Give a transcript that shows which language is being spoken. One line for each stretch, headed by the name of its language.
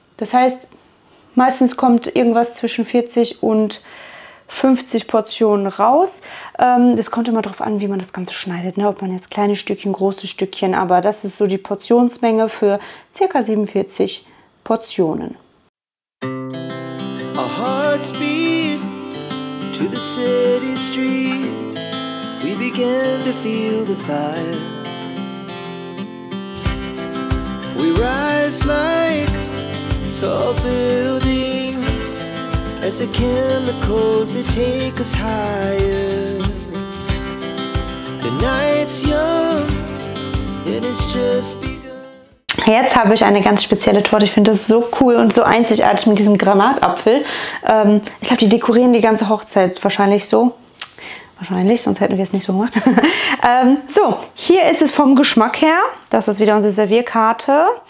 German: Das heißt, meistens kommt irgendwas zwischen 40 und 50 Portionen raus. Das kommt immer darauf an, wie man das Ganze schneidet. Ne? Ob man jetzt kleine Stückchen, große Stückchen, aber das ist so die Portionsmenge für ca. 47 Portionen.
English: Speed to the city streets, we began to feel the fire. We rise like tall buildings as the chemicals they take us higher. The night's young and it's just begun.
German: Jetzt habe ich eine ganz spezielle Torte. Ich finde das so cool und so einzigartig mit diesem Granatapfel. Ich glaube, die dekorieren die ganze Hochzeit wahrscheinlich so. Wahrscheinlich, sonst hätten wir es nicht so gemacht. So, hier ist es vom Geschmack her. Das ist wieder unsere Servierkarte.